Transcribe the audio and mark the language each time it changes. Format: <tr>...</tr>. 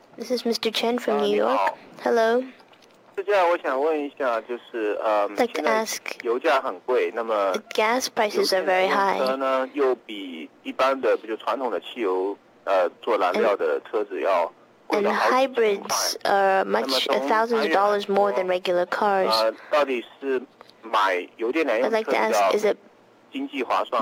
<en>This is Mr. Chen from New York. Hello.</en> <zh>是这样，我想问一下，就是油价很贵，那么</zh> <en>gas prices are very high。</en> <zh>车呢又比一般的，比如传统的汽油，做燃料的车子要贵了好几千块。</zh> <en>And hybrids are much thousands of dollars more than regular cars。</en> <zh>到底是买油电燃油车比较经济划算</zh>